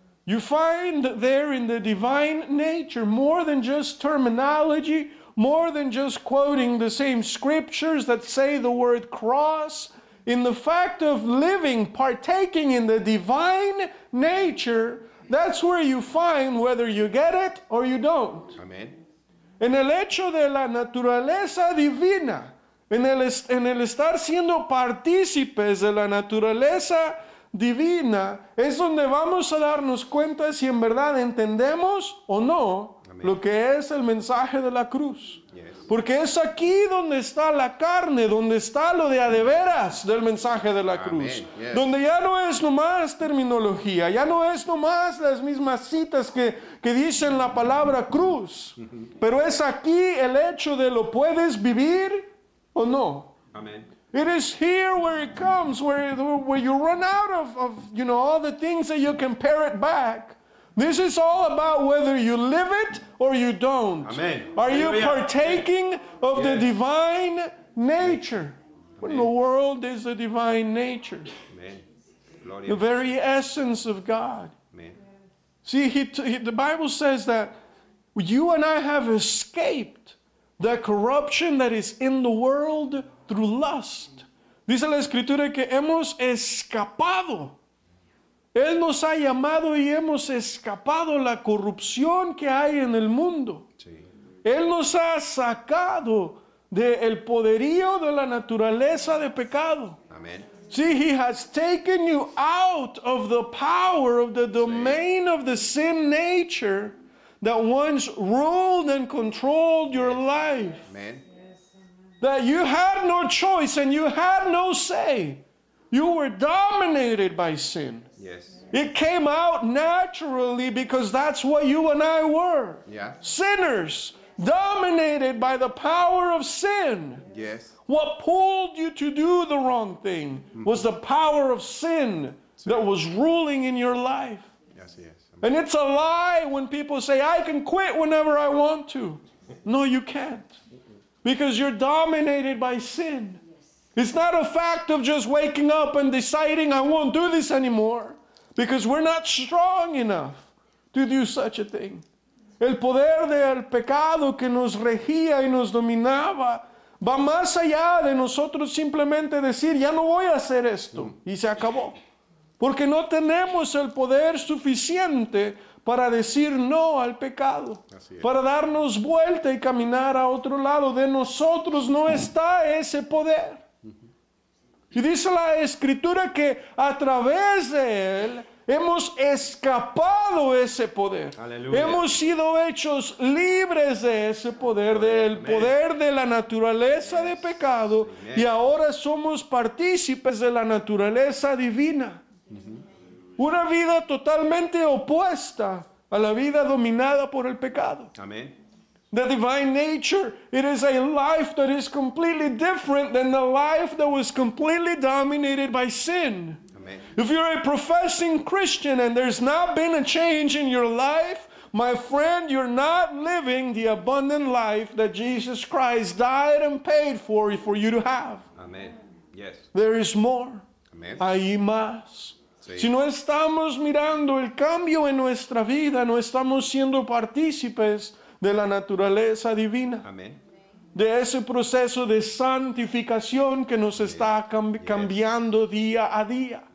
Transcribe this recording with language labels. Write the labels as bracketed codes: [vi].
[en] You find there in the divine nature more than just terminology, more than just quoting the same scriptures that say the word cross. In the fact of living, partaking in the divine nature, that's where you find whether you get it or you don't. Amen. [es] En el hecho de la naturaleza divina, en el estar siendo partícipes de la naturaleza divina, es donde vamos a darnos cuenta si en verdad entendemos o no. Amén. Lo que es el mensaje de la cruz. [en] Yes. [es] Porque es aquí donde está la carne, donde está lo de a de veras del mensaje de la [en] Amén. [es] Cruz. [en] Yes. [es] Donde ya no es nomás terminología, ya no es nomás las mismas citas que dicen la palabra cruz. Pero es aquí el hecho de lo puedes vivir o no. [en] Amén. It is here where it comes, where you run out of you know, all the things that you can pare it back. This is all about whether you live it or you don't. Amen. Are Hallelujah. You partaking Amen. Of yes. the divine nature? Amen. What in the world is the divine nature? Amen. Glory the very essence of God. Amen. See, the Bible says that you and I have escaped the corruption that is in the world through lust. [es] Dice la Escritura que hemos escapado. Él nos ha llamado y hemos escapado la corrupción que hay en el mundo. Sí. Él nos ha sacado del poderío de la naturaleza de pecado. [en] Amen. See, he has taken you out of the power of the domain [es] sí. [en] of the sin nature that once ruled and controlled your Amen. Life. Amen. That you had no choice and you had no say. You were dominated by sin. Yes. It came out naturally because that's what you and I were. Yeah. Sinners, dominated by the power of sin. Yes. What pulled you to do the wrong thing mm-hmm. was the power of sin so, that was ruling in your life. Yes, yes. Amen. And it's a lie when people say, I can quit whenever I want to. No, you can't. Because you're dominated by sin. It's not a fact of just waking up and deciding I won't do this anymore, because we're not strong enough to do such a thing. [es] El poder del pecado que nos regía y nos dominaba va más allá de nosotros simplemente decir, ya no voy a hacer esto, y se acabó. Porque no tenemos el poder suficiente para decir no al pecado, para darnos vuelta y caminar a otro lado. De nosotros no está ese poder. Y dice la Escritura que a través de Él hemos escapado ese poder. Aleluya. Hemos sido hechos libres de ese poder, Aleluya. Del poder de la naturaleza [en] yes. [es] de pecado. [en] Amen. [es] Y ahora somos partícipes de la naturaleza divina. Uh-huh. Una vida totalmente opuesta a la vida dominada por el pecado. Amén. [en] The divine nature, it is a life that is completely different than the life that was completely dominated by sin. Amen. If you're a professing Christian and there's not been a change in your life, my friend, you're not living the abundant life that Jesus Christ died and paid for you to have. Amen. Yes. There is more. Amen. [es] Hay más. Sí. Si no estamos mirando el cambio en nuestra vida, no estamos siendo partícipes de la naturaleza divina. Amén. de ese proceso de santificación que nos está cambiando día a día.